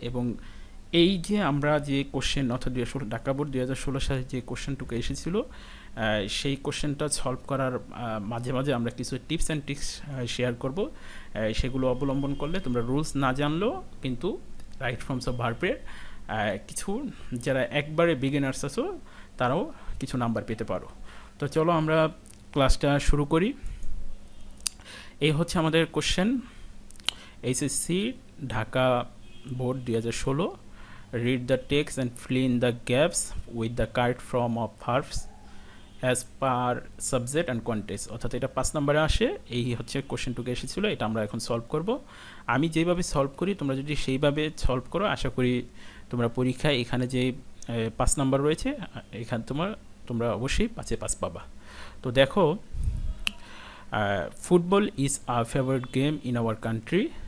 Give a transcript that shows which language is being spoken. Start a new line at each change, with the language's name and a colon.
Bangla: এবং এই যে আমরা যে কোশ্চেন অর্থাৎ 2016 ঢাকা বোর্ড 2016 সালে যে কোশ্চেনটুকু এসেছিলো সেই কোশ্চেনটা সলভ করার মাঝে মাঝে আমরা কিছু টিপস অ্যান্ড ট্রিক্স শেয়ার করব, সেগুলো অবলম্বন করলে তোমরা রুলস না জানলেও কিন্তু রাইট ফর্মস অফ ভার্বের কিছু যারা একবারে বিগিনার্স আছো তারাও কিছু নাম্বার পেতে পারো। তো চলো আমরা ক্লাসটা শুরু করি। এই হচ্ছে আমাদের question HSC Dhaka board 2016।
English: Read the text and fill in the gaps with the correct form of verbs as per subject and context.
Bangla: অর্থাৎ এটা পাঁচ নম্বরে আসে, এই হচ্ছে কোশ্চেনটুকু এসেছিলো, এটা আমরা এখন সলভ করব। আমি যেভাবে সলভ করি তোমরা যদি সেইভাবে সলভ করো আশা করি তোমরা পরীক্ষায় এখানে যে পাঁচ নম্বর রয়েছে এখান তোমরা অবশ্যই পাঁচে পাঁচ পাবা। তো দেখো,
English: Football is a favourite game in our country.